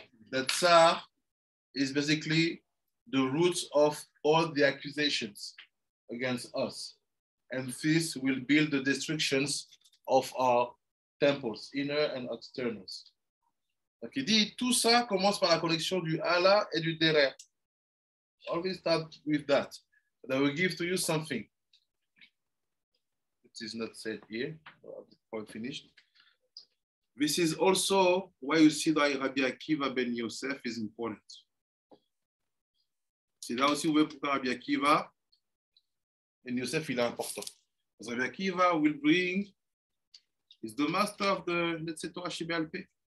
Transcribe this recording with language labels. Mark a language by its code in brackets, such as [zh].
[en] That Tsar is basically the root of all the accusations against us. And this will build the destructions of our temples, inner and externals. [fr] Donc il dit, tout ça commence par la connexion du Allah et du derrière. [en] Always start with that. That will give to you something. It is not said here, but the point finished. This is also why you see that Rabbi Akiva ben Yosef is important. [fr] C'est là aussi où vous pouvez Rabbi Akiva et Yosef, il est important. [en] Because Rabbi Akiva will bring, is the master of the Netzé Torah Shibalpe.